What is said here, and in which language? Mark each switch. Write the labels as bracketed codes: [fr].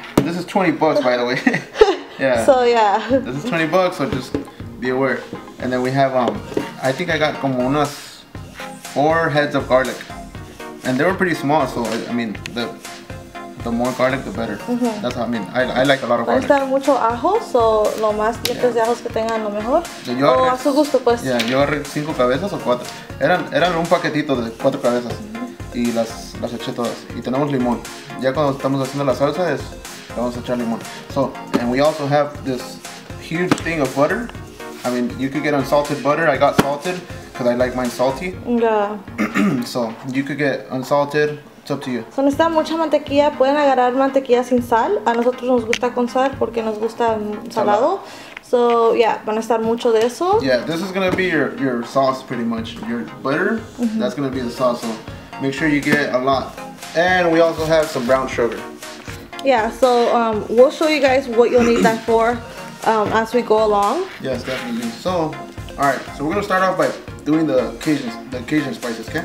[en] This is 20 bucks, by the way. Yeah. So yeah. This is 20 bucks, so just be aware. And then we have, I think I got [es] como unas [en] 4 heads of garlic. And they were pretty small, so I mean, the more garlic, the better. Mm-hmm. That's how I mean. I like a lot of garlic. [es] Está mucho ajo, so lo más dientes de ajos que tengan lo mejor. Yo agarré, a su gusto, pues. Yeah, yo agarré 5 cabezas o 4. Eran un paquetito de 4 cabezas. Mm-hmm. Y las eché todas. Y tenemos limón. Ya cuando estamos haciendo la salsa, le vamos a echar limón. [en] So, and we also have this huge thing of butter. I mean, you could get unsalted butter. I got salted because I like mine salty. Yeah. So, you could get unsalted. It's up to you. [es] So, necesita mucha mantequilla. Pueden agarrar mantequilla sin sal. A nosotros nos gusta con sal porque nos gusta salado. So, yeah, van a estar mucho de eso. [en] Yeah, this is going to be your sauce pretty much. Your butter, mm-hmm. That's going to be the sauce. So, make sure you get a lot. And we also have some brown sugar. Yeah, so we'll show you guys what you'll need that for as we go along. Yes, definitely. So, all right, so we're going to start off by doing the Cajun spices, okay?